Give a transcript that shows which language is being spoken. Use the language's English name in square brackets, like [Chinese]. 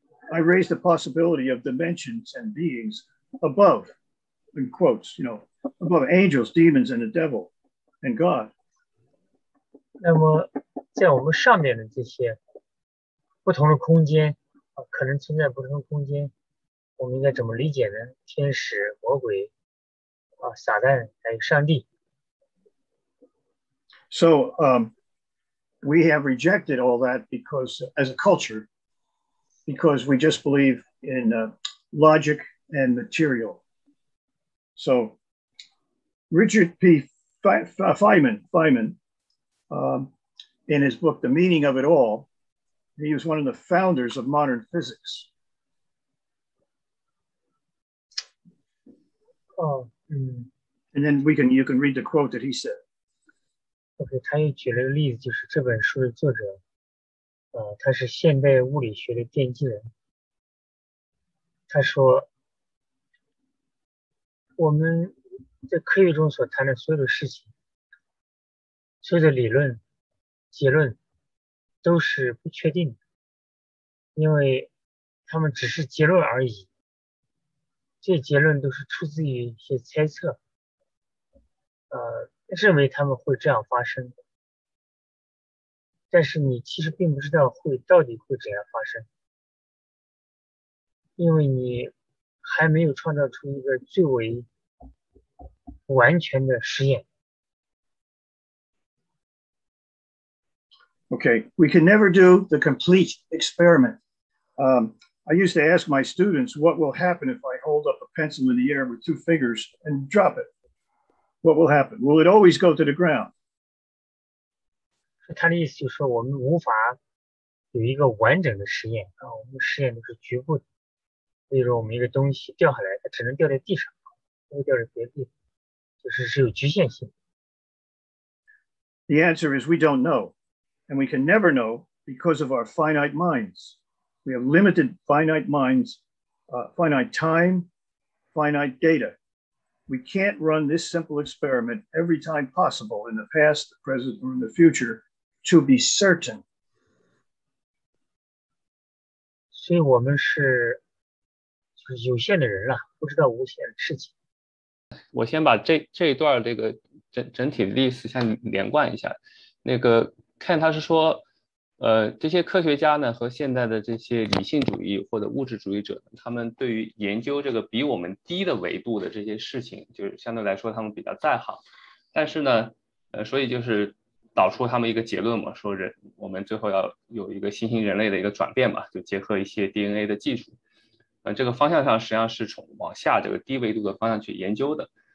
[English] I raised the possibility of dimensions and beings above, in quotes, you know, above angels, demons, and the devil, and God. [Chinese] 那么在我们上面的这些不同的空间、啊、可能存在不同的空间，我们应该怎么理解呢？天使、魔鬼、啊、撒旦还有上帝。 [English] So, we have rejected all that because, as a culture, because we just believe in logic and material. So, Richard P. Feynman, in his book, The Meaning of It All, he was one of the founders of modern physics. And then you can read the quote that he said. [Chinese] Okay, 他又举了个例子，就是这本书的作者，他是现代物理学的奠基人。他说，我们在科学中所谈的所有的事情，所有的理论结论都是不确定的，因为他们只是结论而已，这结论都是出自于一些猜测，认为他们会这样发生，但是你其实并不知道会到底会怎样发生，因为你还没有创造出一个最为完全的实验。 [English] Okay, we can never do the complete experiment. I used to ask my students, what will happen if I hold up a pencil in the air with two fingers and drop it? What will happen? Will it always go to the ground? [Chinese] 他的意思就是说我们无法有一个完整的实验，我们实验都是局部的。例如我们一个东西掉下来，它只能掉在地上，不会掉在别的地方，就是是有局限性。 [English] The answer is we don't know. And we can never know because of our finite minds. We have limited finite minds, finite time, finite data. We can't run this simple experiment every time possible in the past, the present, or in the future to be certain. [Chinese] 所以我们是有限的人了，不知道无限的事情。我先把这一段这个整体的历史先连贯一下，那个。看他是说这些科学家呢和现在的这些理性主义或者物质主义者，他们对于研究这个比我们低的维度的这些事情，就是相对来说他们比较在行，但是呢所以就是导出他们一个结论嘛，说人我们最后要有一个新型人类的一个转变嘛，就结合一些 DNA 的技术，这个方向上实际上是从往下这个低维度的方向去研究的。